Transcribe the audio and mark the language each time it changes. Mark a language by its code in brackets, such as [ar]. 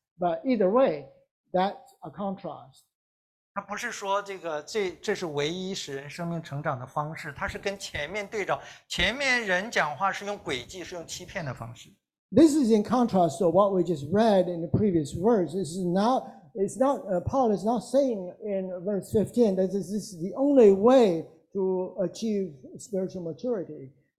[en] But either way, that's a contrast. [zh] 它不是说这是唯一使人生命成长的方式，它是跟前面对照。前面人讲话是用诡计，是用欺骗的方式。 [en] This is in contrast to what we just read in the previous verse. This is not. It's not, Paul is not saying in verse 15 that this is the only way to achieve spiritual maturity.